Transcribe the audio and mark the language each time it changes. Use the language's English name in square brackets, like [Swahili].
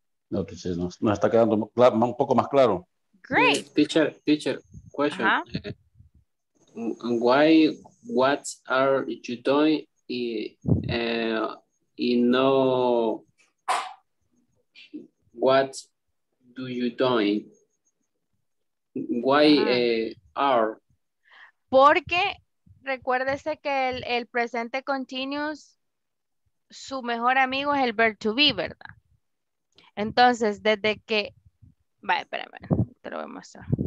[Spanish] No, teacher, nos está quedando un poco más claro. [English] Great. Teacher, question. Uh-huh. Why, what are you doing no, what do you doing? Why are? [Spanish] Porque recuérdese que el presente continuous, su mejor amigo es el [English] verb to be, [Spanish] ¿verdad? Entonces, desde que, vale, espérame, te lo voy a mostrar.